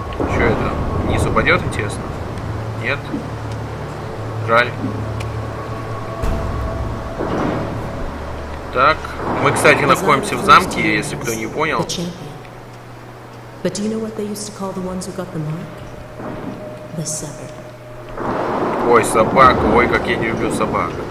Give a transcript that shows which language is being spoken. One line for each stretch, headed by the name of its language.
Russian: Что это? Вниз упадет, интересно? Нет? Жаль. Так, мы, кстати, находимся в замке, если кто не понял.
English: But do you know what they used to call the ones who got the mark? The Severed.
Russian: Ой, собака, ой, как я не люблю собак.